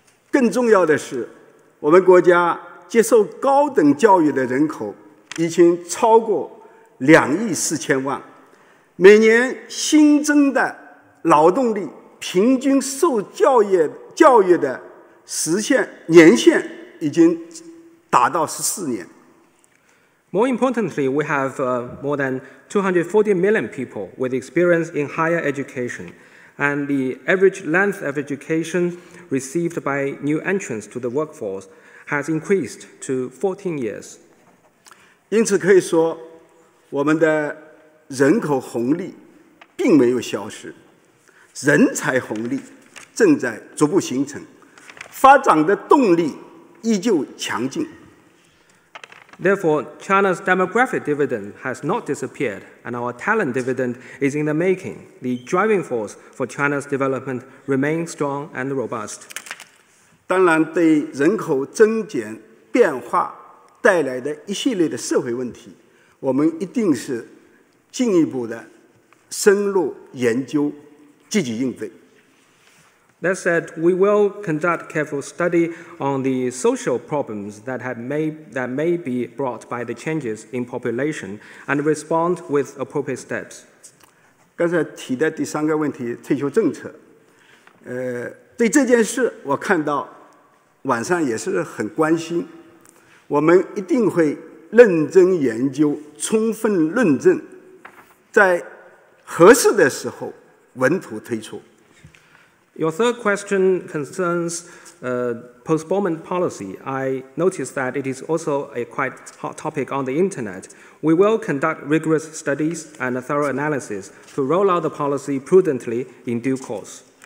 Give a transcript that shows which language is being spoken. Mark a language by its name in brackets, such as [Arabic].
[Chinese] 更重要的是，我们国家接受高等教育的人口已经超过两亿四千万。每年新增的劳动力平均受教育的年限已经达到14年。 [English] More importantly, we have more than 240 million people with experience in higher education, and the average length of education received by new entrants to the workforce has increased to 14 years. [Chinese] 因此可以说，我们的人口红利并没有消失，人才红利正在逐步形成，发展的动力依旧强劲。 [English] Therefore, China's demographic dividend has not disappeared, and our talent dividend is in the making. The driving force for China's development remains strong and robust. [Chinese] 当然，对人口增减变化带来的一系列的社会问题，我们一定是进一步的深入研究，积极应对。 [English] That said, we will conduct careful study on the social problems that may be brought by the changes in population and respond with appropriate steps. [Chinese] 刚才提的第三个问题，退休政策，对这件事，我看到晚上也是很关心，我们一定会认真研究，充分论证。在合适的时候稳妥推出。 [English] Your third question concerns postponement policy. I noticed that it is also a quite hot topic on the internet. We will conduct rigorous studies and a thorough analysis to roll out the policy prudently in due course.